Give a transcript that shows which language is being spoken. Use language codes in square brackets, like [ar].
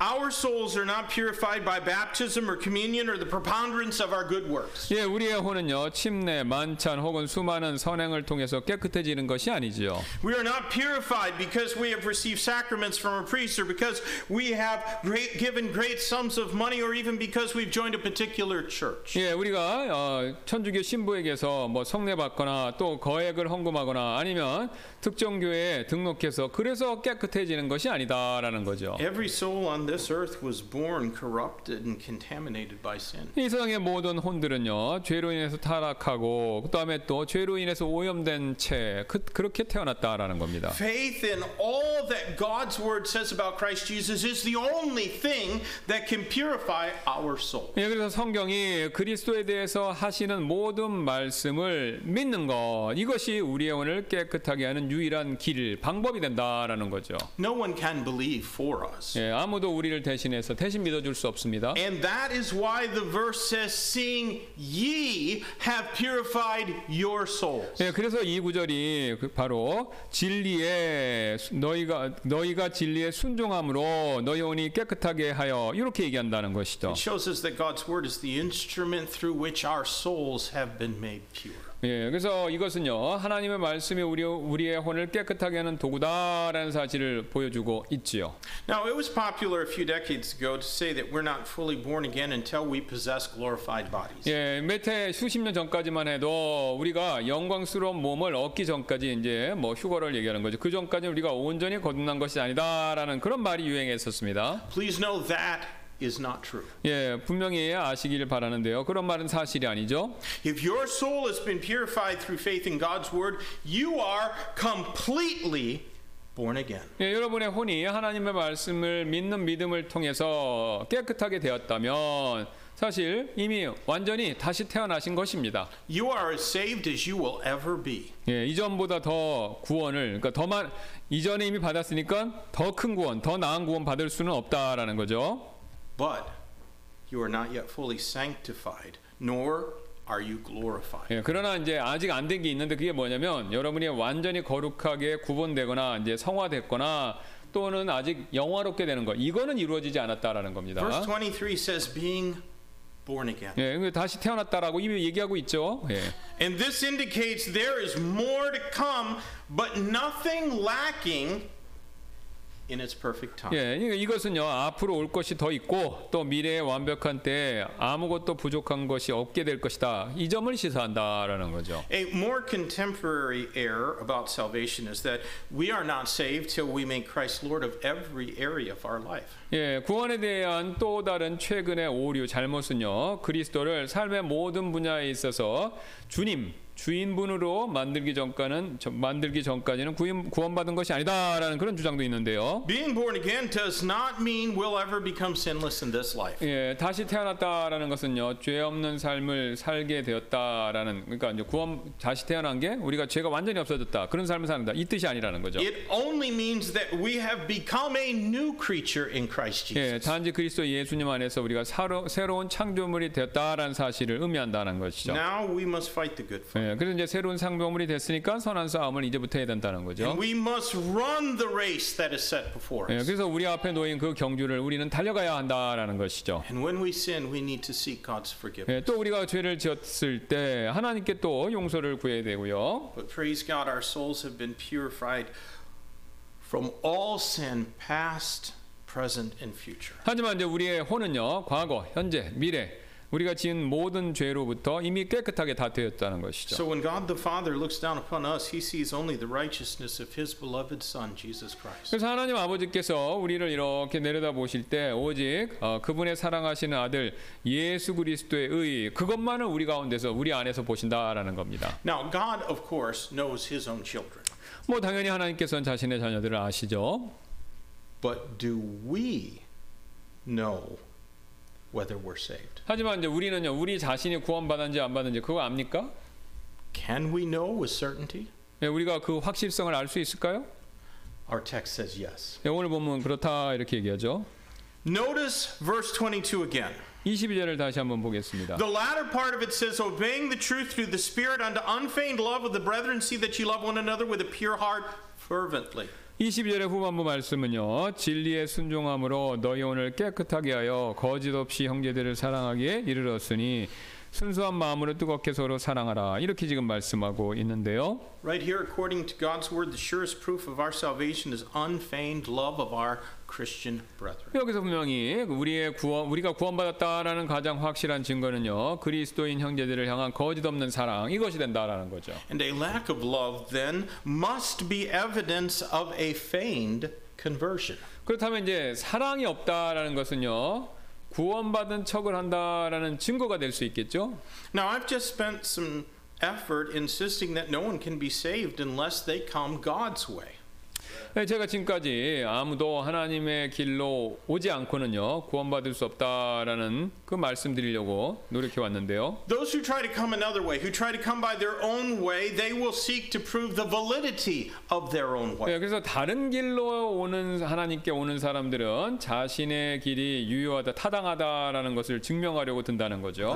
[en] Our souls are not purified by baptism or communion or the preponderance of our good works. [ko] 예, 우리의 혼은요, 침례, 만찬 혹은 수많은 선행을 통해서 깨끗해지는 것이 아니지요. [en] We are not purified because we have received sacraments from a priest or because we have given great sums of money or even because we've joined a particular church. [ko] 예, 우리가 천주교 신부에게서 뭐 성례 받거나 또 거액을 헌금하거나 아니면 특정 교회에 등록해서 그래서 깨끗해지는 것이 아니다라는 [en] Every soul on this earth was born corrupted and contaminated by sin. [ko] 이 세상의 모든 혼들은요 죄로 인해서 타락하고 그다음에 또 죄로 인해서 오염된 채 그렇게 태어났다라는 겁니다. [en] Faith in all that God's word says about Christ Jesus is the only thing that can purify our soul. [ko] 예, 그래서 성경이 그리스도에 대해서 하시는 모든 말씀을 믿는 것 이것이 우리의 혼을 깨끗하게 하는 유일한 길 방법이 된다라는 거죠. [en] No one can believe. For us. [ko] 예, 아무도 우리를 대신해서 대신 믿어줄 수 없습니다. [en] And that is why the verse says, "Seeing ye have purified your souls." [ko] 예, 그래서 이 구절이 바로 진리에 너희가 진리에 순종함으로 너희 혼이 깨끗하게 하여 이렇게 얘기한다는 것이죠. [en] It shows us that God's word is the instrument through which our souls have been made pure. [ko] 예, 그래서 이것은요 하나님의 말씀이 우리의 혼을 깨끗하게 하는 도구다라는 사실을 보여주고 있지요. [en] Now it was popular a few decades ago to say that we're not fully born again until we possess glorified bodies. [ko] 예, 수십 년 전까지만 해도 우리가 영광스러운 몸을 얻기 전까지 이제 뭐 휴거를 얘기하는 거죠. 그 전까지 우리가 온전히 거듭난 것이 아니다라는 그런 말이 유행했었습니다. [en] Please know that is not true. [ko] 예, 분명히 아시기를 바라는데요. 그런 말은 사실이 아니죠. [en] If your soul has been purified through faith in God's word, you are completely born again. [ko] 예, 여러분의 혼이 하나님의 말씀을 믿는 믿음을 통해서 깨끗하게 되었다면 사실 이미 완전히 다시 태어나신 것입니다. [en] You are as saved as you will ever be. [ko] 예, 이전보다 더 구원을 그러니까 더 많 이전에 이미 받았으니까 더 큰 구원, 더 나은 구원 받을 수는 없다라는 거죠. [en] But you are not yet fully sanctified, nor are you glorified. [ko] 예, 그러나 이제 아직 안 된 게 있는데 그게 뭐냐면 여러분이 완전히 거룩하게 구분되거나 이제 성화됐거나 또는 아직 영화롭게 되는 것 이거는 이루어지지 않았다라는 겁니다. [en] Verse 23 says being born again. [ko] 예, 다시 태어났다라고 이미 얘기하고 있죠. 예. [en] And this indicates there is more to come, but nothing lacking in its perfect time. [ko] 예, 그러니까 이것은요 앞으로 올 것이 더 있고 또 미래의 완벽한 때 아무것도 부족한 것이 없게 될 것이다. 이 점을 시사한다라는 거죠. [en] A more contemporary error about salvation is that we are not saved till we make Christ Lord of every area of our life. [ko] 예, 구원에 대한 또 다른 최근의 오류 잘못은요 그리스도를 삶의 모든 분야에 있어서 주님 주인분으로 만들기 전까지는 구원받은 것이 아니다라는 그런 주장도 있는데요. [en] Being born again does not mean we'll ever become sinless in this life. [ko] 예, 다시 태어났다라는 것은요 죄 없는 삶을 살게 되었다라는 그러니까 이제 구원 다시 태어난 게 우리가 죄가 완전히 없어졌다 그런 삶을 산다 이 뜻이 아니라는 거죠. [en] It only means that we have become a new creature in Christ Jesus. [ko] 예, 단지 그리스도 예수님 안에서 우리가 새로운 창조물이 되었다라는 사실을 의미한다는 것이죠. [en] Now we must fight the good fight. [ko] 예, 그래서 이제 새로운 창조물이 됐으니까 선한 싸움을 이제부터 해야 된다는 거죠. [en] And we must run the race that is set before us. [ko] 예, 그래서 우리 앞에 놓인 그 경주를 우리는 달려가야 한다라는 것이죠. [en] And when we sin, we need to seek God's forgiveness. [ko] 예, 또 우리가 죄를 지었을 때 하나님께 또 용서를 구해야 되고요. [en] But praise God, our souls have been purified from all sin, past, present, and future. [ko] 하지만 이제 우리의 혼은요, 과거, 현재, 미래. 우리가 지은 모든 죄로부터 이미 깨끗하게 다 되었다는 것이죠. [en] So when God the Father looks down upon us, he sees only the righteousness of his beloved son Jesus Christ. [ko] 그래서 하나님 아버지께서 우리를 이렇게 내려다보실 때 오직 그분의 사랑하시는 아들 예수 그리스도의 의 그것만을 우리 가운데서 우리 안에서 보신다라는 겁니다. [en] Now God of course knows his own children. [ko] 뭐 당연히 하나님께서는 자신의 자녀들을 아시죠. [en] But do we know whether we're saved? [ko] 하지만 이제 우리는요, 우리 자신이 구원받았는지 안 받았는지 그거 압니까? [en] Can we know with certainty? [ko] 예, 우리가 그 확실성을 알 수 있을까요? [en] Our text says yes. [ko] 예, 오늘 보면 그렇다 이렇게 얘기하죠. [en] Notice verse 22 again. [ko] 22절을 다시 한번 보겠습니다. [en] The latter part of it says, obeying the truth through the Spirit unto unfeigned love of the brethren, see that you love one another with a pure heart fervently. [ko] 22절의 후반부 말씀은요 진리의 순종함으로 너희 혼을 깨끗하게 하여 거짓 없이 형제들을 사랑하기에 이르렀으니 순수한 마음으로 뜨겁게 서로 사랑하라 이렇게 지금 말씀하고 있는데요. [en] Right here, according to God's word, the surest proof of our salvation is unfeigned love of our Christian brethren. [ko] 여기서 분명히 우리가 구원받았다라는 가장 확실한 증거는요 그리스도인 형제들을 향한 거짓 없는 사랑 이것이 된다라는 거죠. [en] And a lack of love then must be evidence of a feigned conversion. [ko] 그렇다면 이제 사랑이 없다라는 것은요. 구원받은 척을 한다라는 증거가 될 수 있겠죠. [en] Now I've just spent some effort insisting that no one can be saved unless they come God's way. [ko] 네, 제가 지금까지 아무도 하나님의 길로 오지 않고는요 구원받을 수 없다라는 그 말씀드리려고 노력해 왔는데요. [en] Those who try to come another way, who try to come by their own way, they will seek to prove the validity of their own way. [ko] 네, 그래서 다른 길로 오는 하나님께 오는 사람들은 자신의 길이 유효하다, 타당하다라는 것을 증명하려고 든다는 거죠.